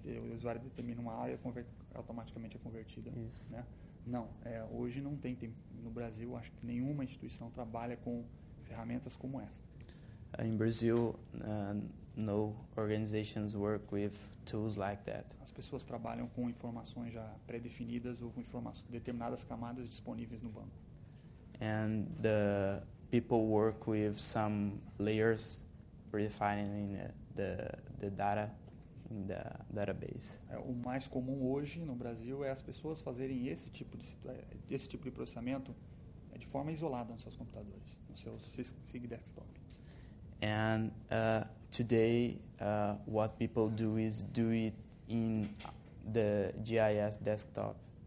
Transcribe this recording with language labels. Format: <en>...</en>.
<pt>O usuário determina uma área automaticamente é convertida. Isso. Né? Não, é, hoje não tem, tem. No Brasil, acho que nenhuma instituição trabalha com ferramentas como esta.</pt> <en>In Brazil, no organizations work with tools like that.</en> <pt>As pessoas trabalham com informações já pré-definidas ou com informações, determinadas camadas disponíveis no banco.</pt> <en>And the people work with some layers predefining the data.</en> <pt>Da database. É, o mais comum hoje no Brasil é as pessoas fazerem esse tipo de processamento de forma isolada nos seus computadores, no seu SIG desktop.</pt> <en>And today what people do is do it in the GIS desktop.</en>